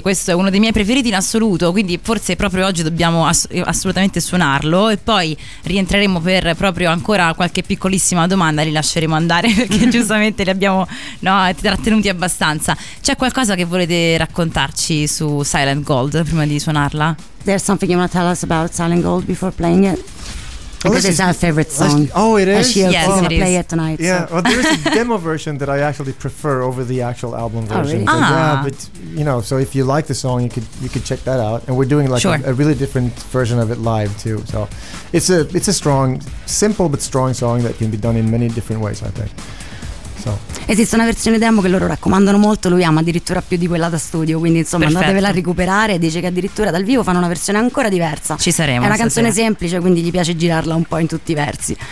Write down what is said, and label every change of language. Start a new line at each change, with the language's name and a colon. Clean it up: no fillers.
Italian: Questo è uno dei miei preferiti in assoluto, quindi forse proprio oggi dobbiamo assolutamente suonarlo e poi rientreremo per proprio ancora qualche piccolissima domanda, li lasceremo andare perché giustamente li abbiamo trattenuti abbastanza. C'è qualcosa che volete raccontarci su Silent Gold prima di suonarla?
English: There's something you want to tell us about Silent Gold before playing it? Because it's our favorite song. Oh, it is? Yes, it is. Play it tonight. Yeah, well, there is a demo version that I actually prefer over the actual album version. Oh, really? But, yeah, but, you know, so if you like the song, you could check that out. And we're doing, like, a really different version of it live, too. So it's a strong, simple but strong song that can be done in many different ways, I think.
Italian: Esiste una versione demo che loro raccomandano molto, lui ama addirittura più di quella da studio, quindi insomma andatevela a recuperare. Dice che addirittura dal vivo fanno una versione ancora diversa. Ci saremo. È una canzone semplice, quindi gli piace girarla un po' in tutti i versi.